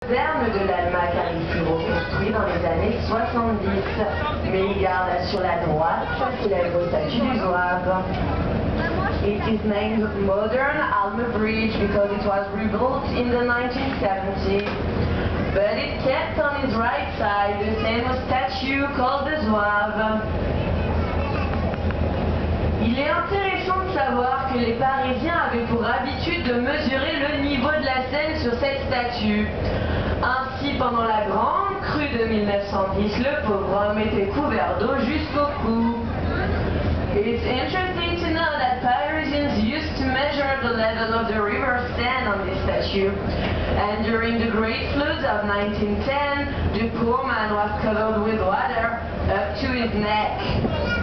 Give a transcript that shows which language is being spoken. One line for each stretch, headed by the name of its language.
French: caserne de l'Allemagne arrive fut reconstruit dans les années 70. Mais il garde sur la droite sa célèbre statue du Zouave.
English: It is named Modern Alma Bridge because it was rebuilt in the 1970s. But it kept on its right side the same statue called the Zouave.
French: Il est intéressant de savoir que les Parisiens avaient pour habitude de mesurer le niveau de la Seine sur cette statue. Ainsi, pendant la grande crue de 1910, le pauvre homme était couvert d'eau jusqu'au cou.
English: It's interesting to know that Parisians used to measure the level of the river Seine on this statue. And during the great floods of 1910, the poor man was covered with water up to his neck.